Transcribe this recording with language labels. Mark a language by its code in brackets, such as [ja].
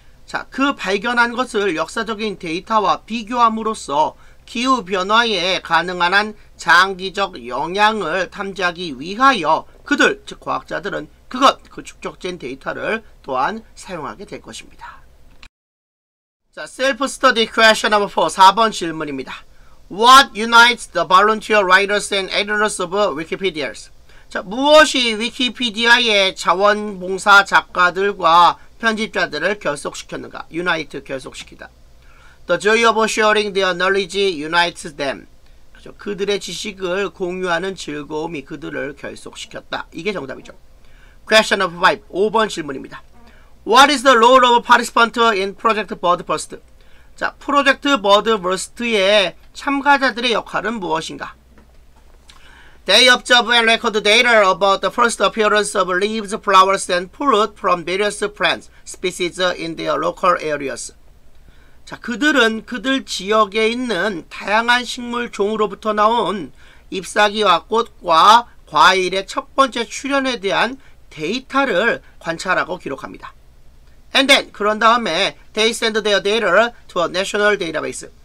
[ko] 자, 그 발견한 것을 역사적인 데이터와 비교함으로써 기후변화에 가능한 한 장기적 영향을 탐지하기 위하여 그들, 즉 과학자들은 그것, 그 축적된 데이터를 또한 사용하게 될 것입니다. [en] 자, self-study question number 4, [ko] 4번 질문입니다. [en] What unites the volunteer writers and editors of Wikipedia's? [ko] 자, 무엇이 위키피디아의 자원봉사 작가들과 편집자들을 결속시켰는가? Unite, 결속시키다. [en] The joy of sharing their knowledge unites them. [ko] 그렇죠? 그들의 지식을 공유하는 즐거움이 그들을 결속시켰다. 이게 정답이죠. [en] Question number 5, [ko] 5번 질문입니다. [en] What is the role of participants in Project Birdburst? [ko] 자, 프로젝트 Birdburst의 참가자들의 역할은 무엇인가? [en] They observe and record data about the first appearance of leaves, flowers, and fruit from various plants, species in their local areas. [ko] 자, 그들은 그들 지역에 있는 다양한 식물 종으로부터 나온 잎사귀와 꽃과 과일의 첫 번째 출현에 대한 데이터를 관찰하고 기록합니다. [en] And then, [ko] 그런 다음에 [en] they send their data to a national database.